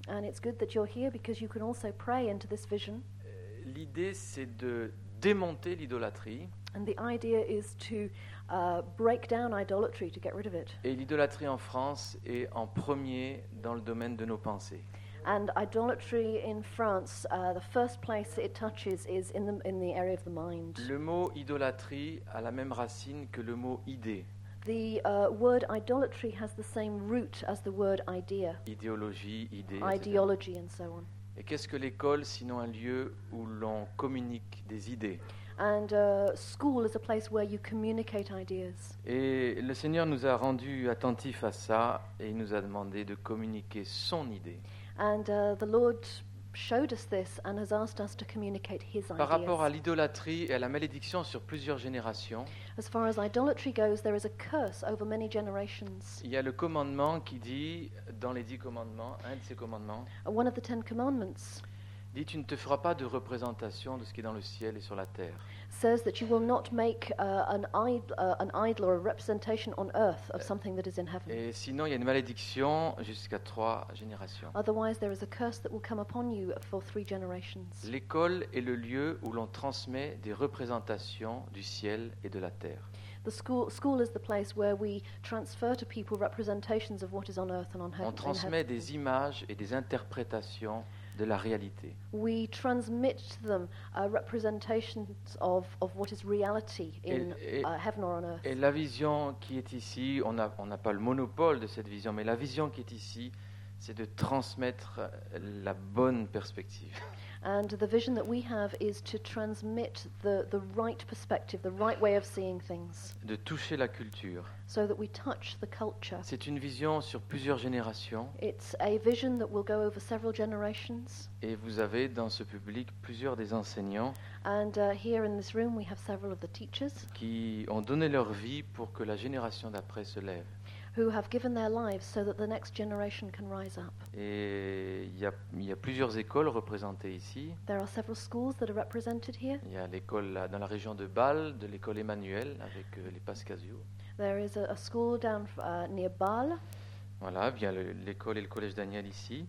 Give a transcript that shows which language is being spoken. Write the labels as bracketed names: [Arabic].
[English] And it's good that you're here because you can also pray into this vision. [French] L'idée c'est de démonter l'idolâtrie. [English] And the idea is to break down idolatry, to get rid of it. [French] Et l'idolâtrie en France est en premier dans le domaine de nos pensées. [English] And idolatry in France, the first place it touches is in the area of the mind. [French] Le mot idolâtrie a la même racine que le mot idée. [English] The word idolatry has the same root as the word idea. [French] Idéologie, idée. [English] Ideology and so on. [French] Et qu'est-ce que l'école sinon un lieu où l'on communique des idées? [English] And school is a place where you communicate ideas. [French] Et le Seigneur nous a rendu attentifs à ça et il nous a demandé de communiquer son idée. [English] And the Lord showed us this and has asked us to communicate his ideas. [French] Par rapport à l'idolâtrie et à la malédiction sur plusieurs générations. [English] As far as idolatry goes, there is a curse over many generations. [French] Il y a le commandement qui dit dans les 10 commandements, un de ces commandements. [English] One of the 10 commandments. [French] Dit tu ne te feras pas de représentation de ce qui est dans le ciel et sur la terre. [English] Says that you will not make an idol or a representation on earth of something that is in heaven. [French] Et sinon, il y a une malédiction jusqu'à 3 générations. [English] Otherwise, there is a curse that will come upon you for 3 generations. [French] L'école est le lieu où l'on transmet des représentations du ciel et de la terre. [English] The school is the place where we transfer to people representations of what is on earth and on heaven. [French] On transmet des images et des interprétations de la réalité. [English] We transmit to them representations of what is reality in heaven or on earth. [French] Et la vision qui est ici, on n'a pas le monopole de cette vision, mais la vision qui est ici, c'est de transmettre la bonne perspective. [English] And the vision that we have is to transmit the right perspective, the right way of seeing things. [French] De toucher la culture. [English] So that we touch the culture. [French] C'est une vision sur plusieurs générations. [English] It's a vision that will go over several generations. [French] Et vous avez dans ce public plusieurs des enseignants. [English] And here in this room we have several of the teachers. [French] Qui ont donné leur vie pour que la génération d'après se lève. [English] Who have given their lives so that the next generation can rise up. [French] Et il y a plusieurs écoles représentées ici. [English] There are several schools that are represented here. [French] Il y a l'école dans la région de Bâle, de l'école Emmanuel avec les Pascasio. [English] There is a school down near Bâle. [French] Voilà, il y a l'école et le collège Daniel ici.